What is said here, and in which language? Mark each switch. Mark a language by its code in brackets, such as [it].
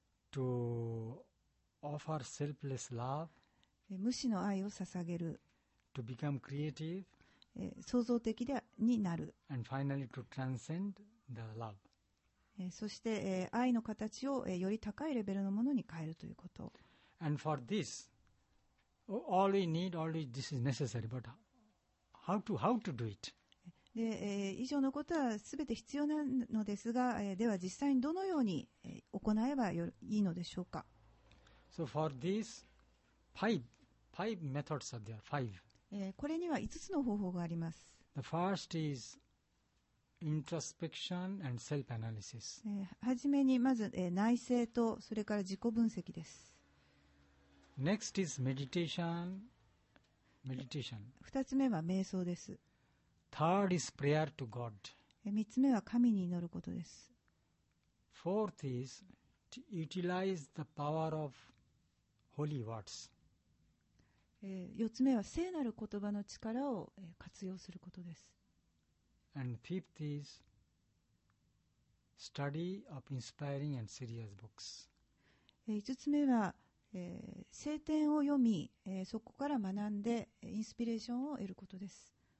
[en] to offer selfless love, [ja] 無私の愛を捧げる、 [en] to become creative. [ja] 創造的でになる [en] And finally to transcend the love. [ja] そして、愛の形を、より高いレベルのものに変えるということ [en] And for this all we need all we, this is necessary but how to do it? [ja] で、以上のことは全て必要なのですが、では実際にどのように、行えばいいのでしょうか [en] So for this five methods are there five [ja] これには5つの方法があります。 [en] The first is introspection and self-analysis. [ja] はじめにまず、内省とそれから自己分析です。 [en] Next is meditation. [ja] 2つ目は瞑想です。 [en] Third is prayer to God. [ja] 3つ目は神に祈ることです。 [en] Fourth is to utilize the power of holy words. [ja] 4つ目は聖なる言葉の力を活用することです。 [en] And fifth is study of inspiring and serious books. [ja] 5つ目は聖典を読み、そこから学んでインスピレーションを得ることです。